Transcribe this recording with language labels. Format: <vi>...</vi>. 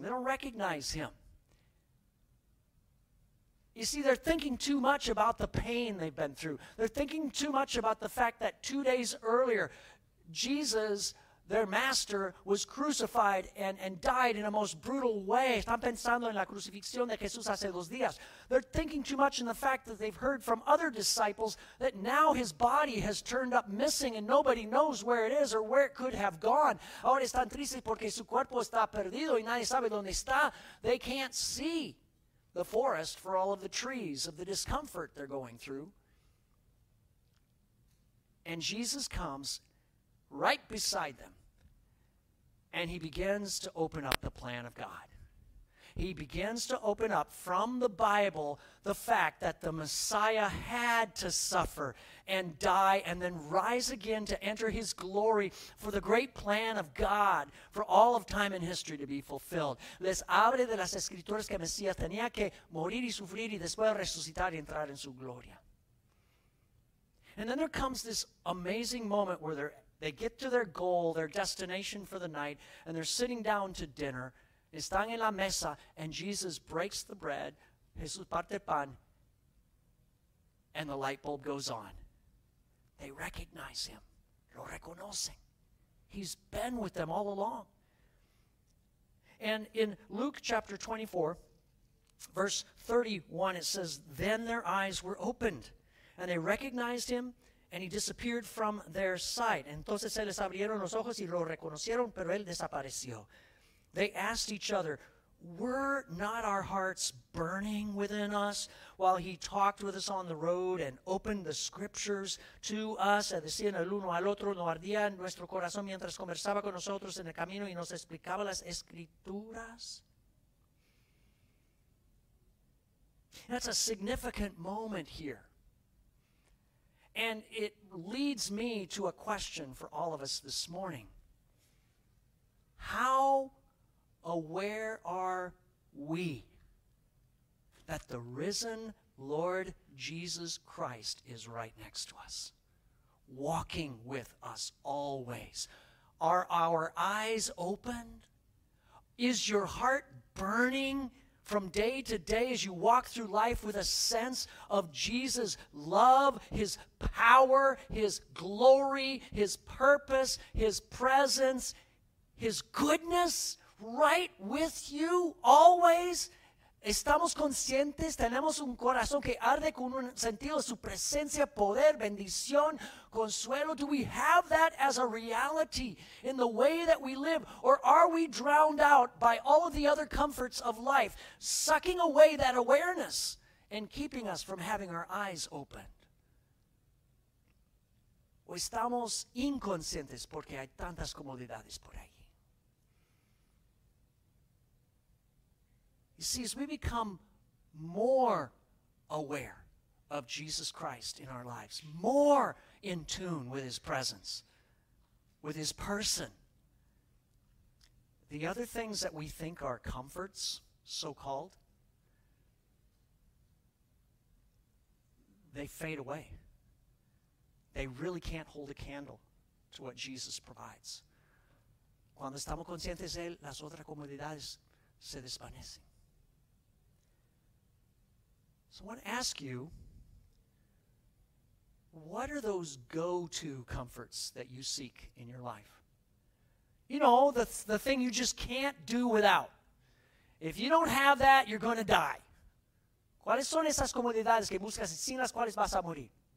<en>They don't recognize him. You see, they're thinking too much about the pain they've been through. They're thinking too much about the fact that 2 days earlier, Jesus, their master, was crucified and died in a most brutal way.</en> <es>Están pensando en la crucifixión de Jesús hace dos días.</es> <en>They're thinking too much in the fact that they've heard from other disciples that now his body has turned up missing and nobody knows where it is or where it could have gone.</en> <es>Ahora están tristes porque su cuerpo está perdido y nadie sabe dónde está.</es> <en>They can't see the forest for all of the trees of the discomfort they're going through. And Jesus comes right beside them, and he begins to open up the plan of God. He begins to open up from the Bible the fact that the Messiah had to suffer and die and then rise again to enter his glory for the great plan of God for all of time and history to be fulfilled.</en> <es>Les abre de las escrituras que Mesías tenía que morir y sufrir y después resucitar y entrar en su gloria.</es> <en>And then there comes this amazing moment where they get to their goal, their destination for the night, and they're sitting down to dinner.</en> <es>Están en la mesa,</es> <en>and Jesus breaks the bread.</en> <es>Jesús parte el pan,</es> <en>and the light bulb goes on. They recognize him.</en> <es>Lo reconocen.</es> <en>He's been with them all along. And in Luke chapter 24, verse 31, it says, "Then their eyes were opened, and they recognized him, and he disappeared from their sight."</en> <es>Entonces se les abrieron los ojos y lo reconocieron, pero él desapareció.</es> <en>They asked each other, "Were not our hearts burning within us while he talked with us on the road and opened the scriptures to us?"</en> <es>Se decían el uno al otro, "¿No ardía nuestro corazón mientras conversaba con nosotros en el camino y nos explicaba las escrituras?"</es> <en>That's a significant moment here. And it leads me to a question for all of us this morning. How aware are we that the risen Lord Jesus Christ is right next to us, walking with us always? Are our eyes opened? Is your heart burning from day to day as you walk through life with a sense of Jesus' love, his power, his glory, his purpose, his presence, his goodness right with you always?</en> <es>Estamos conscientes, tenemos un corazón que arde con un sentido de su presencia, poder, bendición, consuelo.</es> <en>Do we have that as a reality in the way that we live? Or are we drowned out by all of the other comforts of life, sucking away that awareness and keeping us from having our eyes opened?</en> <es>¿O estamos inconscientes porque hay tantas comodidades por ahí?</es> <en>You see, as we become more aware of Jesus Christ in our lives, more in tune with his presence, with his person, the other things that we think are comforts, so-called, they fade away. They really can't hold a candle to what Jesus provides.</en> <es>Cuando estamos conscientes de él, las otras comodidades se desvanecen.</es> <en>So I want to ask you, what are those go-to comforts that you seek in your life? You know, the thing you just can't do without. If you don't have that, you're going to die.</en> <es>¿Cuáles son esas comodidades que buscas y sin las cuales vas a morir?</es>